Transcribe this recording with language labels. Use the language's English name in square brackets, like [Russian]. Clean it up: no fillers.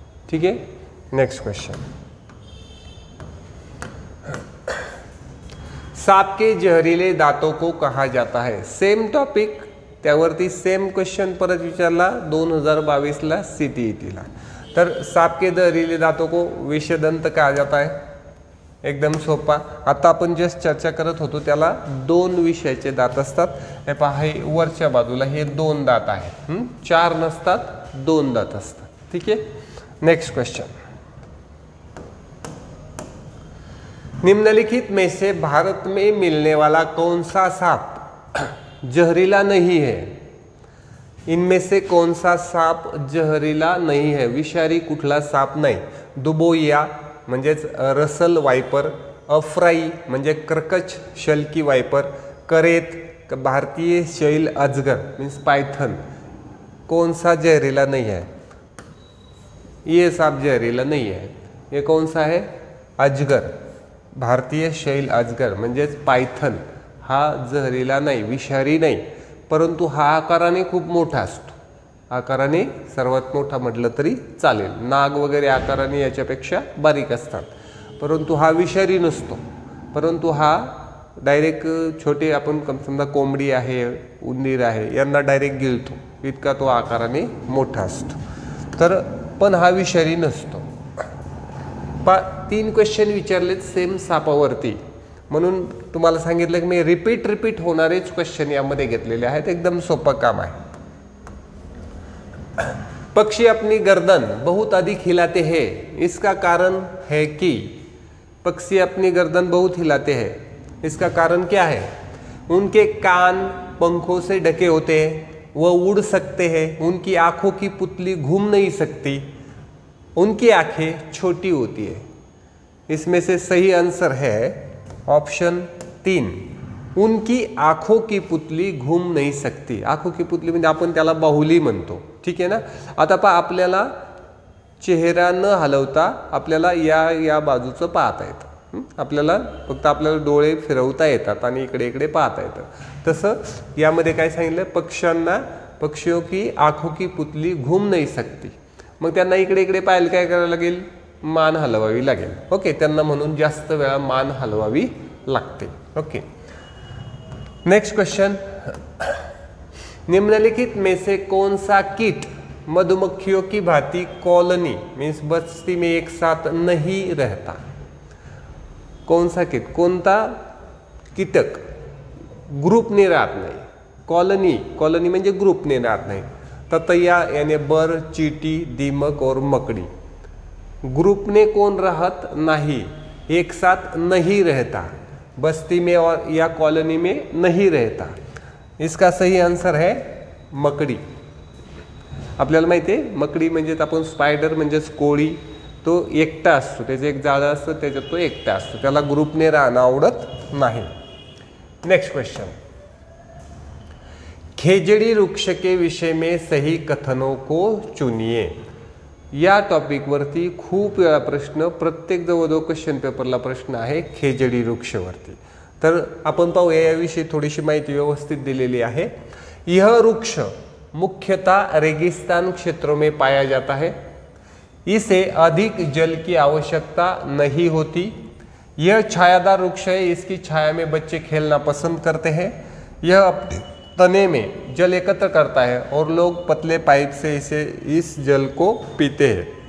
[Marathi] ठीक आहे, next question. [Hindi] Shop के जहरीले दातो को कहा जाता है, [Marathi] सेम टॉपिक, त्यावरती सेम क्वेश्चन परत विचारला 2022 सीटीईटीला। [Hindi] तर साप के जहरीले दातो को विषदंत कहा जाता है, [Marathi] एकदम सोपा। आता आपण जस्ट चर्चा करत होतो त्याला 2 विषयाचे दात असतात, हे पहा वरच्या बाजूला हे 2 दात आहे, 4 नसतात, 2 दात असतात। ठीक आहे, नेक्स्ट क्वेश्चन। [Hindi] निम्नलिखित में से भारत में मिलने वाला कौन सा सांप जहरीला नहीं है? इनमें से कौन सा सांप जहरीला नहीं है, [Marathi] विषारी कुठला सांप [Hindi] नहीं? [Marathi] दुबोया म्हणजेच रसल वायपर, अफ्राई म्हणजे क्रकच शल्की वायपर, करेत भारतीय शैल अजगर मीन्स पायथन, [Hindi] कौन सा जहरीला नहीं है? ये सांप जहरीला नहीं है, ये कौन सा है? [Marathi] अजगर, भारतीय शैल अजगर म्हणजेच पायथन, हा जहरीला नाही, विषारी नाही, परंतु हा आकाराने खूप मोठा असतो। आकाराने सर्वात मोठा म्हटलं तरी चालेल, नाग वगैरे आकाराने याच्यापेक्षा बारीक असतात, परंतु हा विषारी नसतो। परंतु हा डायरेक्ट छोटे आपण समजा कोंबडी आहे, उंदीर आहे, यांना डायरेक्ट गिळतो, इतका तो आकाराने मोठा असतो, तर पण हा विषारी नसतो। पा, 3 क्वेश्चन विचारलेत सेम सापावरती, म्हणून तुम्हाला सांगितलं की मी रिपीट होणारेच क्वेश्चन यामध्ये घेतलेले आहेत, एकदम सोपं काम आहे। [Hindi] पक्षी अपनी गर्दन बहुत अधिक हिलाते हैं, इसका कारण है कि पक्षी अपनी गर्दन बहुत हिलाते हैं, इसका कारण क्या है? उनके कान पंखों से ढके होते हैं, वह उड़ सकते हैं, उनकी आंखों की पुतली घूम नहीं सकती, उनकी आंखें छोटी होती है। इसमें से सही आंसर है ऑप्शन 3, उनकी आंखों की पुतली घूम नहीं सकती। [Marathi] आंखों की पुतली म्हणजे आपण त्याला बाहुली म्हणतो, ठीक आहे ना। आता पहा, आपल्याला चेहरा न हलवता आपल्याला या बाजूचं पाहता येतं, आपल्याला फक्त आपल्याला डोळे फिरवता येतात आणि इकडे इकडे पाहता येतं। तसं यामध्ये काय सांगितलं, [Hindi] पक्षियों की आंखों की पुतली घूम [Marathi] नाही सकती, मग त्यांना इकडे इकडे पाहायला काय करावं लागेल, मान हलवावी लागेल। ओके, त्यांना म्हणून जास्त वेळा मान हलवावी लागते। [Hindi] ओके, नेक्स्ट क्वेश्चन, निम्नलिखित में से कौन सा कीट मधुमक्खियों की भांति कॉलोनी मीन्स बस्ती में एक साथ नहीं रहता? कौन सा कीट, [Marathi] कोणता कीटक ग्रुप ने राहत नाही, कॉलोनी म्हणजे ग्रुप ने राहत नाही, ततया याने बर, चीटी, दीमक और मकडी, ग्रुप ने कोण राहत नाही, [Hindi] एक साथ नहीं रहता, [Marathi] बस्ती में और या कॉलोनी में नहीं रहता? [Hindi] इसका सही आंसर है मकड़ी। [Marathi] आपल्याला माहिती आहे मकडी म्हणजे आपण स्पायडर म्हणजेच कोळी, तो एकटा असतो, त्याचं एक जाळं असतं, त्याच्यात तो एकटा असतो, त्याला ग्रुपने राहणं आवडत नाही। नेक्स्ट क्वेश्चन, [Hindi] खेजडी वृक्ष के विषय में सही कथनों को चुनिए, [Marathi] या टॉपिकवरती खूप वेळा प्रश्न, प्रत्येक जवळजवळ क्वेश्चन पेपरला प्रश्न आहे खेजडी वृक्षवरती। तर आपण पाहूया याविषयी थोडीशी माहिती व्यवस्थित दिलेली आहे। [Hindi] यह वृक्ष मुख्यतः रेगिस्तान क्षेत्रों में पाया जाता है, इसे अधिक जल की आवश्यकता नहीं होती, यह छायादार वृक्ष है, इसकी छाया में बच्चे खेलना पसंद करते हैं, यह अपने तने में जल एकत्र करता है और लोग पतले पाइप से इसे इस जल को पीते हैं।